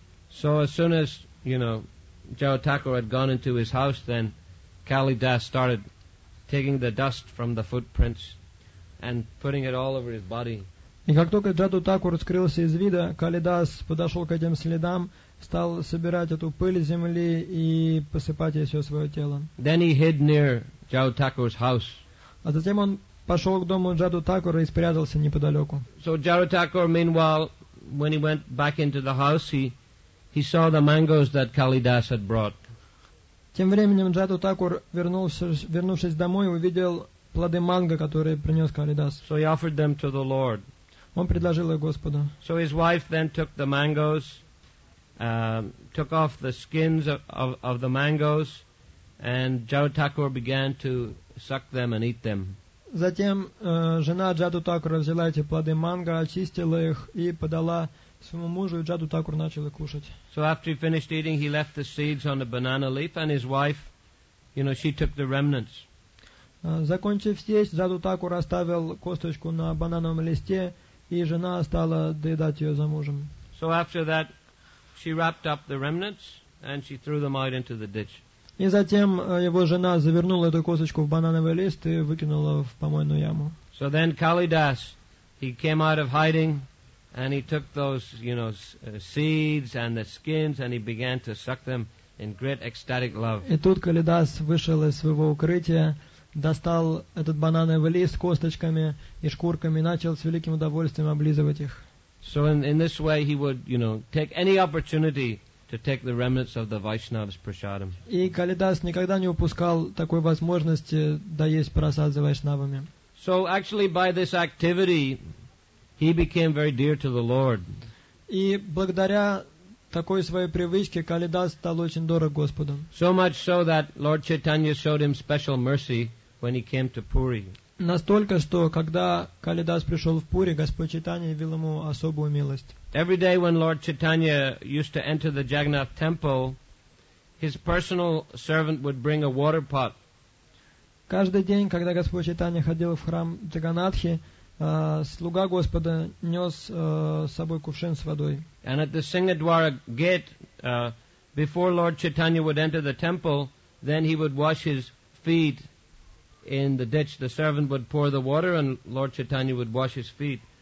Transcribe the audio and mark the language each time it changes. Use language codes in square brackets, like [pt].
[en] So as soon as, you know, Jaratakur had gone into his house, then Kalidas started taking the dust from the footprints and putting it all over his body. [ru] И как только Джадутакур скрылся из вида, Калидас подошел к этим следам, стал собирать эту пыль земли и посыпать ей все свое тело. [en] Then he hid near Jaratakur's house. [ru] А затем он пошел к дому Джадутакура и спрятался неподалеку. [en] So Jaratakur, meanwhile, when he went back into the house, he saw the mangoes that Kalidas had brought. [ru] Тем временем Джаду Такур, вернувшись домой, увидел плоды манго, которые принес Калидас. [en] So he offered them to the Lord. [ru] Он предложил их Господу. [en] So his wife then took the mangoes, took off the skins of the mangoes, and Джаду Такур began to suck them and eat them. [ru] Затем жена Джаду Такура взяла эти плоды манго, очистила их и подала своему мужу, и Джаду Такур начал их кушать. [en] So after he finished eating, he left the seeds on a banana leaf, and his wife, you know, she took the remnants. [ru] Закончив съесть, Джаду Такур оставил косточку на банановом листе, и жена стала доедать ее за мужем. [en] So after that, she wrapped up the remnants, and she threw them out into the ditch. [ru] И затем его жена завернула эту косточку в банановый лист и выкинула в помойную яму. [en] So then Kalidas, he came out of hiding, and he took those, you know, seeds and the skins, and he began to suck them in great ecstatic love. [ru] И тут Калидас вышел из своего укрытия, достал этот банановый лист косточками и шкурками, и начал с великим удовольствием облизывать их. [en] So in this way he would, you know, take any opportunity to take the remnants of the Vaishnavas prasadam. [ru] И Калидас никогда не упускал такой возможности доесть прасад за вайшнавами. [en] So actually by this activity, He became very dear to the Lord. [ru] И благодаря такой своей привычке Калидас стал очень дорог Господу. [en] So much so that Lord Chaitanya showed him special mercy when he came to Puri. [ru] Настолько, что когда Калидас пришел в Пури, Господь Чайтанья явил ему особую милость. [en] Every day when Lord Chaitanya used to enter the Jagannath temple, his personal servant would bring a water pot. [ru] Каждый день, когда Господь Чайтанья ходил в храм Джаганнатхи, слуга Господа нес с собой кувшин с водой. [en] And at the Singhadwara gate, before Lord Chaitanya would enter the temple, then he would wash his feet in the ditch. The servant would pour the water and Lord Chaitanya would wash his feet.